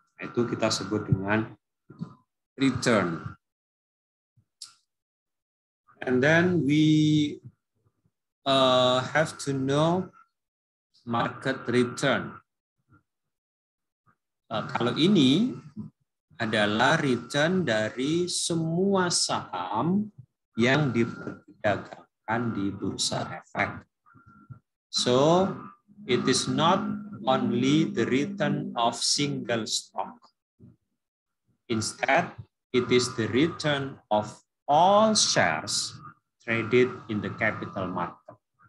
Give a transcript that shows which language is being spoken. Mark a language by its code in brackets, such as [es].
[id] Itu kita sebut dengan return. [en] And then we have to know market return. [id] Kalau ini adalah return dari semua saham yang diperdagangkan di bursa efek. [en] So it is not only the return of single stock. Instead, it is the return of all shares traded in the capital market.